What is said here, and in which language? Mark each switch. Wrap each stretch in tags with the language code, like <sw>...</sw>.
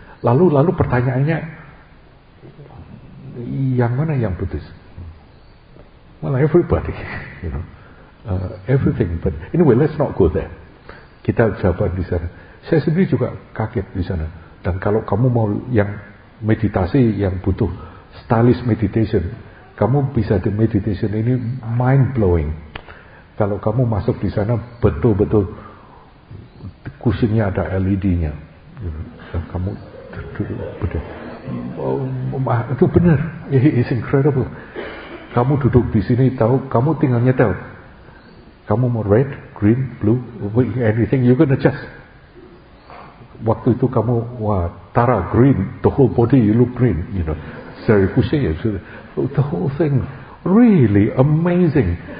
<id>Lalu pertanyaannya, yang mana yang Buddhist?</id> <en>Well, everybody, you know, everything. But anyway, let's not go there.</en> <id>Kita jawab di sana. Saya sendiri juga kaget di sana. Dan kalau kamu mau yang meditasi, yang butuh</id> <en>stylish meditation,</en> <id>kamu bisa di meditation ini</id> <en>mind blowing.</en> <id>Kalau kamu masuk di sana, betul-betul kursinya ada LED-nya.</id> <en>You know,</en> <id>dan kamu duduk, betul. Oh, itu benar.</id> <en>It's incredible.</en> <id>Kamu duduk di sini, tahu, kamu tinggal nyetel. Kamu mau</id> <en>red, green, blue, anything, you can adjust.</en> <id>Waktu itu kamu, wah,</id> <en>Tara, green, the whole body, you look green, you know. Seri Kusaya, the whole thing, really amazing.</en>